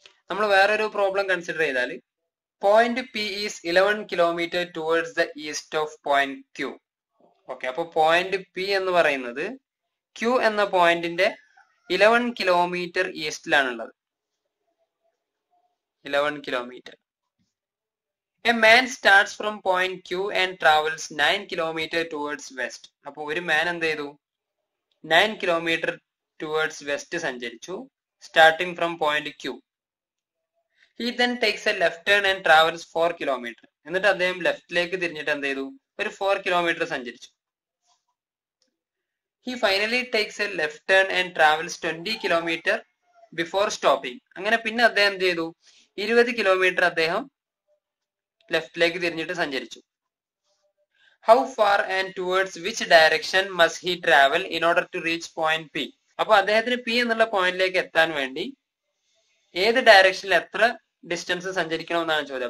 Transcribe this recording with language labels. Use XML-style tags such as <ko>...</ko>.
<ml>നമ്മൾ വേറൊരു problem consider ചെയ്താൽ,</ml> <en>Point P is 11 kilometre towards the east of point Q.</en> <ml>Okay, അപ്പൊ point P എന്ന് പറയുന്നത് ക്യു എന്ന പോയിന്റിന്റെ 11 kilometre ഈസ്റ്റിലാണുള്ളത്. 11 kilometre.</ml> <en>A man starts from point Q and travels 9 kilometers towards west.</en> <ml>അപ്പോൾ ഒരു മാൻ എന്ത് ചെയ്തു,</ml> <en>9 kilometers towards west</en> <ml>സഞ്ചരിച്ചു,</ml> <en>starting from point Q. He then takes a left turn and travels 4 kilometers.</en> <ml>എന്നിട്ട് അദ്ദേഹം ലെഫ്റ്റിലേക്ക് തിരിഞ്ഞിട്ട് എന്ത് ചെയ്തു, ഒരു 4 kilometers സഞ്ചരിച്ചു.</ml> <en>He finally takes a left turn and travels 20 kilometers before stopping.</en> <ml>അങ്ങനെ പിന്നെ അദ്ദേഹം എന്ത് ചെയ്തു, 20 kilometers അദ്ദേഹം ലെഫ്റ്റിലേക്ക് തിരിഞ്ഞിട്ട് സഞ്ചരിച്ചു.</ml> <en>How far and towards which direction must he travel in order to reach point P?</en> <ml>അപ്പൊ അദ്ദേഹത്തിന് പി എന്നുള്ള പോയിന്റിലേക്ക് എത്താൻ വേണ്ടി ഏത് ഡയറക്ഷനിൽ എത്ര ഡിസ്റ്റൻസ് സഞ്ചരിക്കണമെന്നാണ് ചോദ്യം.</ml>